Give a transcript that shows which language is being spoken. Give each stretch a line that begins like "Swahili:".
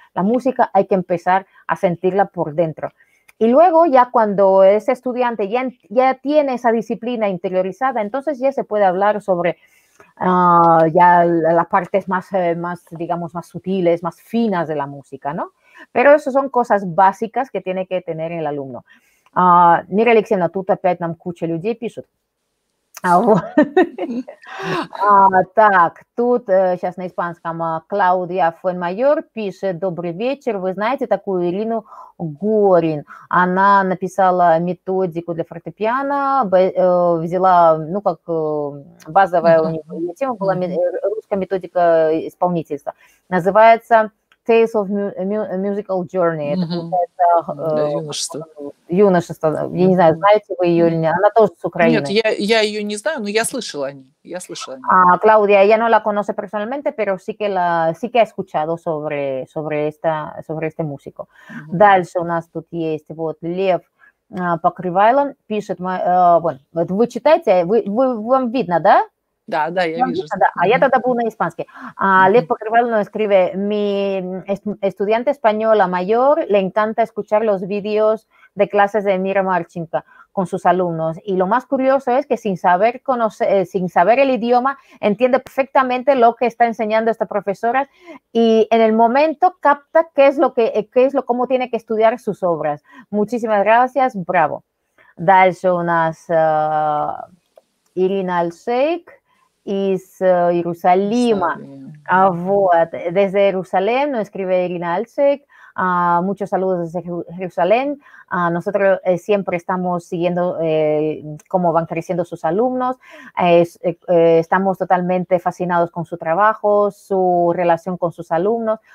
Spanish: La música hay que empezar a sentirla por dentro. Y luego ya cuando ese estudiante ya tiene esa disciplina interiorizada, entonces ya se puede hablar sobre ya las partes más, digamos, más sutiles, más finas de la música, ¿no? Pero eso son cosas básicas que tiene que tener el alumno.
Russian: Мир Алексей, на тут опять нам куча людей пишут. Так, тут сейчас на испанском Клаудия Фуэнмайор пишет: «Добрый вечер, вы знаете такую Ирину Горин? Она написала методику для фортепиано, взяла, ну, как базовая у нее тема была русская методика исполнительства. Называется Tales of Musical Journey». Юношество. Я не знаю, знаете вы ее или нет. Она тоже с Украины. Нет, я ее не знаю, но я слышала о ней. Клаудия, я не знаю ее персонально, но
Spanish: sí que he escuchado sobre este músico. Uh-huh.
Russian: Дальше у нас тут есть вот Лев Покрывайло пишет. Вот вы читаете, вам видно, да? Да, я тогда был на испанский.
Spanish: Лев Покрывайло нам escribe: «Mi estudiante española mayor le encanta escuchar los videos de clases de Mira Marchinka con sus alumnos. Y lo más curioso es que sin saber el idioma, entiende perfectamente lo que está enseñando esta profesora y en el momento capta cómo tiene que estudiar sus obras. Muchísimas gracias, bravo».
Russian: Дальше у нас Ирина Альшейк из Иерусалима. Вот.
Spanish: Desde Иерусалим, ну, escribe Ирина Альшейк. Muchos saludos desde Jerusalén. Nosotros siempre estamos siguiendo cómo van creciendo sus alumnos. Estamos totalmente fascinados con su trabajo, su relación con sus alumnos.